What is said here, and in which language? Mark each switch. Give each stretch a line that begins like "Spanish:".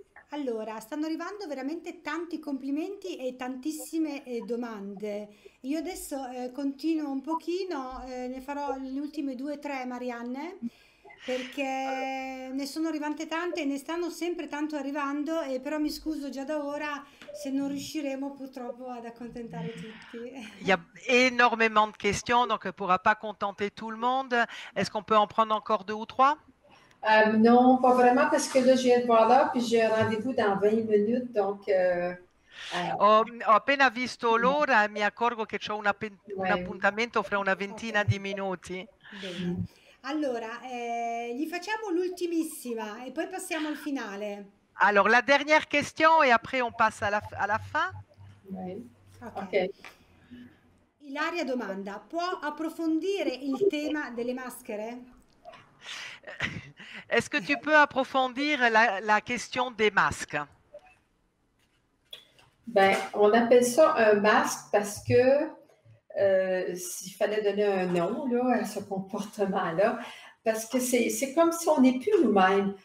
Italian: Allora, stanno arrivando veramente tanti complimenti e tantissime domande. Io adesso continuo un pochino, ne farò le ultime due o tre, Marianne, perché ne sono arrivate tante e ne stanno sempre tanto arrivando, e però mi scuso già da ora se non riusciremo purtroppo ad accontentare tutti.
French: Il y a énormément de questions, donc on pourra pas contenter tout le monde. Est-ce qu'on peut en prendre encore deux ou trois? Non, pas vraiment, parce que là, je viens de voir là, puis j'ai un rendez-vous dans 20 minutes, donc...
Italian: Ho appena visto l'ora e mi accorgo che c'ho un appuntamento fra una ventina di minuti. Bene. Allora, gli facciamo l'ultimissima e poi passiamo al finale.
French: Alors, la dernière question et après, on passe à la fin.
English: Okay.
Italian: Ilaria domanda, può approfondire il tema delle maschere?
French: Est-ce que tu peux approfondir la question des masques? On appelle ça un masque parce que s'il fallait donner un nom là, à ce comportement-là, parce que c'est comme si on n'est plus nous-mêmes.